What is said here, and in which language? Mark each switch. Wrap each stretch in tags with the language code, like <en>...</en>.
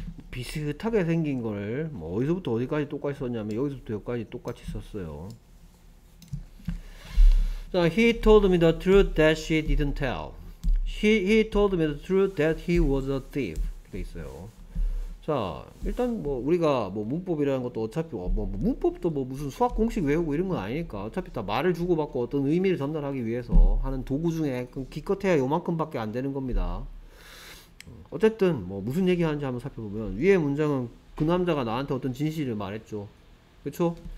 <ko>비슷하게 생긴 걸 뭐 어디서부터 어디까지 똑같이 썼냐면 여기서부터 여기까지 똑같이 썼어요.</ko> <en>자, he told me the truth that she didn't tell. He told me the truth that he was a thief.</en> <ko>이렇게 있어요. 자, 일단 뭐 우리가 뭐 문법이라는 것도 어차피 뭐 문법도 뭐 무슨 수학 공식 외우고 이런 건 아니니까 어차피 다 말을 주고받고 어떤 의미를 전달하기 위해서 하는 도구 중에 기껏해야 요만큼밖에 안 되는 겁니다. 어쨌든 뭐 무슨 얘기하는지 한번 살펴보면 위에 문장은 그 남자가 나한테 어떤 진실을 말했죠. 그렇죠?</ko>